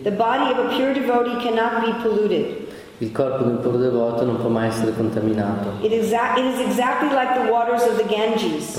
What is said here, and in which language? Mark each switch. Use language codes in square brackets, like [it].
[en] the body of a pure devotee cannot be polluted. [it] Il corpo di un puro devoto non può mai essere contaminato. [en] It is exactly like the waters of the Ganges.